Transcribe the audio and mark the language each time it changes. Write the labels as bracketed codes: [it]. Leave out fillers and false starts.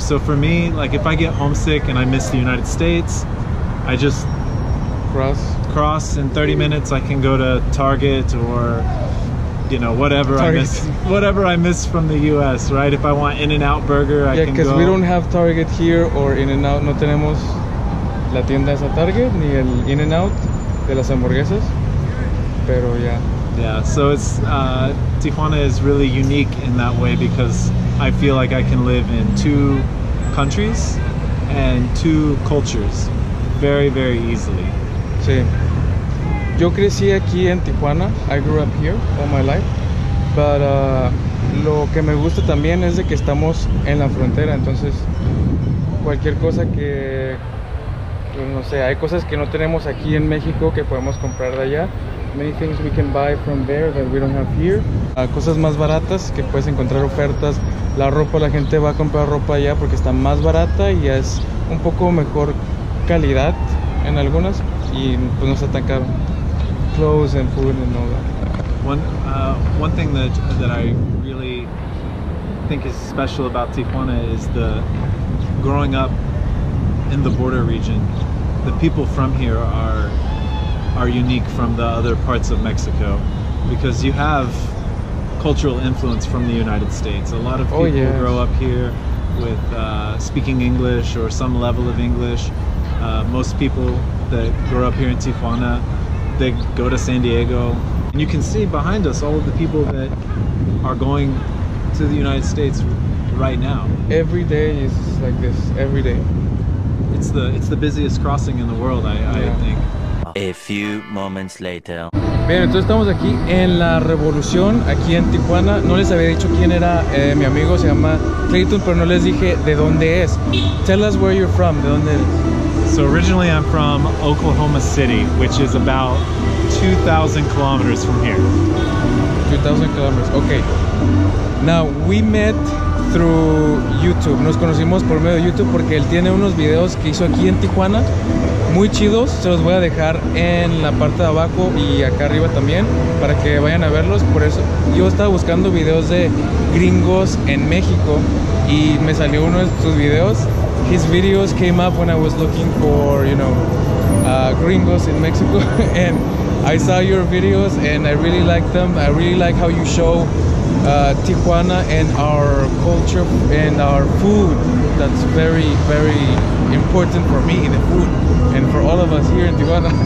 [en] So for me, like if I get homesick and I miss the United States, I just cross in 30 minutes. I can go to Target or, you know, whatever I miss from the U.S., right? If I want In-N-Out Burger, I can go. Yeah, because we don't have Target here or In-N-Out. [es] No tenemos la tienda esa Target, ni el In-N-Out de las hamburguesas. Pero, yeah. [en] Yeah, so it's, Tijuana is really unique in that way because I feel like I can live in two countries and two cultures very, very easily. [es] Sí. Yo crecí aquí en Tijuana. [en] I grew up here all my life. [es] But lo que me gusta también es de que estamos en la frontera. Entonces, cualquier cosa que, no sé, hay cosas que no tenemos aquí en México que podemos comprar de allá. [en] Many things we can buy from there that we don't have here. [es] Cosas más baratas que puedes encontrar ofertas. La ropa, la gente va a comprar ropa allá porque está más barata y es un poco mejor calidad en algunas y pues no está tan caro. [en] Clothes and food and all that. One thing that I really think is special about Tijuana is the growing up in the border region. The people from here are unique from the other parts of Mexico because you have cultural influence from the United States. A lot of people grow up here with speaking English or some level of English. Most people that grew up here in Tijuana, they go to San Diego, and you can see behind us all of the people that are going to the United States right now. Every day is like this, every day. It's the busiest crossing in the world, I think. A few moments later. [es] Bien, entonces estamos aquí en La Revolución, aquí en Tijuana. No les había dicho quién era mi amigo, se llama Clayton, pero no les dije de dónde es. [en] Tell us where you're from, [es] de dónde eres. [en] So originally I'm from Oklahoma City, which is about 2,000 kilometers from here. 2,000 kilometers, okay. Now, we met through YouTube. [es] Nos conocimos por medio de YouTube porque él tiene unos videos que hizo aquí en Tijuana. Muy chidos. Se los voy a dejar en la parte de abajo y acá arriba también para que vayan a verlos. Por eso yo estaba buscando videos de gringos en México y me salió uno de sus videos. [en] His videos came up when I was looking for, you know, gringos in Mexico, and I saw your videos and I really liked them. I really like how you show Tijuana and our culture and our food. That's very, very important for me, the food, and for all of us here in Tijuana.